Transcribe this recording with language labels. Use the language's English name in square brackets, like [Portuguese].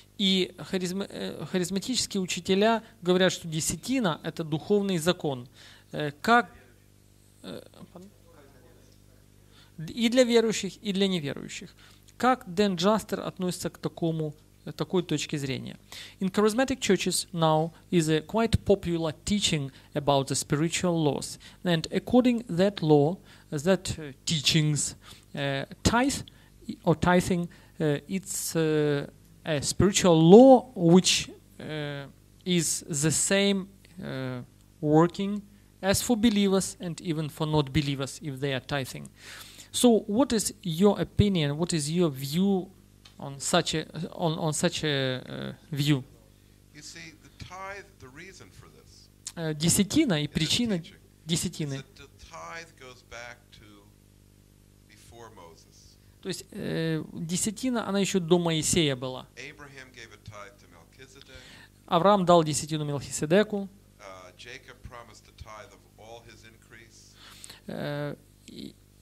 [Russian] И харизматические учителя говорят, что десятина — это духовный закон. Как и для верующих, и для неверующих. Как Дэн Джастер относится к такому, такой точке зрения? [English] In charismatic churches now is a quite popular teaching about the spiritual laws. And according that law, that teachings, tithe or tithing, it's a spiritual law which is the same working as for believers and even for not believers, if they are tithing. So what is your opinion, what is your view on such a view? You see, the tithe, the reason for this, [Russian] десятина и причина десятины. [English] The tithe goes back to before Moses. [Russian] То есть десятина, она еще до Моисея была. [English] Abraham gave a tithe to Melchizedek. [Russian] Авраам дал десятину Мелхиседеку. [English] Jacob promised a tithe of all his increase.